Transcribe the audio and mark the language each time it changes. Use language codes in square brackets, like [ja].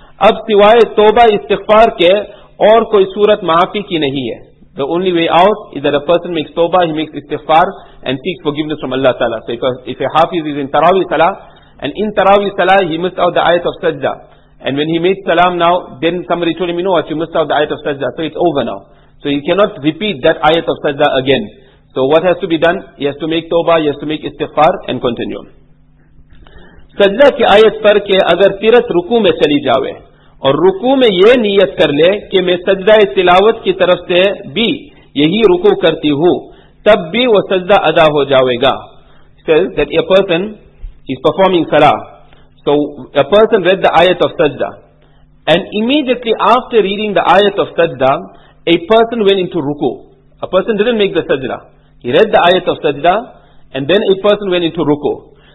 [ur] اب سوائے توبہ استغفار کے اور کوئی صورت معافی کی نہیں ہے. [en] The only way out is that a person makes توبہ, he makes استغفار and seeks forgiveness from Allah Ta'ala. So if a hafiz is in Tarawih Salah, and in Tarawih Salah he missed out the ayat of sajda, and when he made salam now, then somebody told him, you know what, you missed out the ayat of sajda, so it's over now. So he cannot repeat that ayat of sajda again. So what has to be done? He has to make توبہ, he has to make استغفار and continue. [ur] سجدہ کی آیت پر کہ اگر تیرت رکوع میں چلی جاوے اور رکوع میں یہ نیت کر لے کہ میں سجدہ تلاوت کی طرف سے بھی یہی رکوع کرتی ہوں تب بھی وہ سجدہ ادا ہو جاوے گا. [en] Says that a person is performing salah, so a person read the ayat of sajda, and immediately after reading the ayat of sajda, a person went into rukuh. A person didn't make the sajda, he read the ayat of sajda, and then a person went into rukuh.